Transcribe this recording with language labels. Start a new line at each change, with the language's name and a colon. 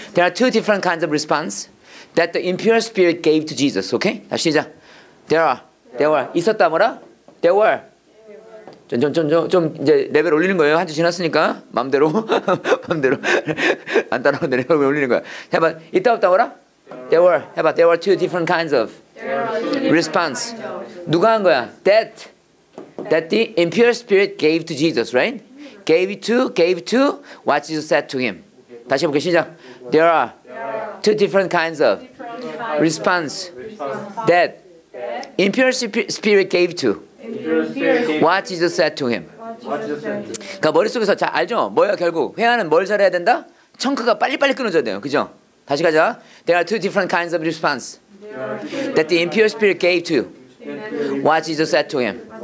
English: There are two different kinds of response that the impure spirit gave to Jesus, okay?
Korean: 다시 시작.
English: There were.
Korean: 있었다, 뭐라? There were. 좀 이제 레벨 올리는 거예요. 한 주 지났으니까. 맘대로. 맘대로. 안 따라오는데 레벨 올리는 거야. 해봐. 있다, 없다, 뭐라?
English: There were. 해봐. There were two different kinds of response.
Korean: 누가 한 거야?
English: That the impure spirit gave to Jesus, right? Gave to what Jesus said to him.
Korean: 다시 해볼게요. 시작.
English: There are two different kinds of response that impure spirit gave to what Jesus said to him.
Korean: 그러니까 머릿속에서 자, 알죠? 뭐야 결국? 회화는 뭘 잘해야 된다? 청크가 빨리빨리 끊어져야 돼요. 그죠? 다시 가자.
English: There are two different kinds of response that the impure spirit gave to what Jesus said to him.